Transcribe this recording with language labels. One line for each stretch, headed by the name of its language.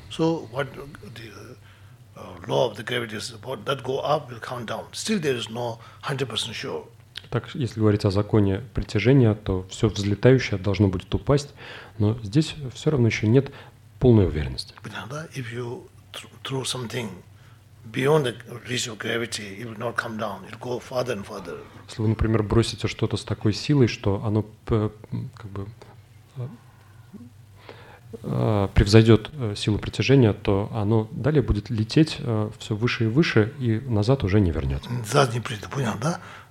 English: So what the law of the gravity is about, that go up will count down. Still there is no 100% sure.
Russian: Так, если говорить о законе притяжения, то все взлетающее должно будет упасть, но здесь все равно еще нет полной уверенности. Понятно?
English: If you throw something beyond the reach of gravity, it will not come down. It will go further and further.
Russian: Если вы, например, бросите что-то с такой силой, что оно как бы превзойдет силу притяжения, то оно далее будет лететь все выше и выше и назад уже не вернется. Назад не придет, понял, да?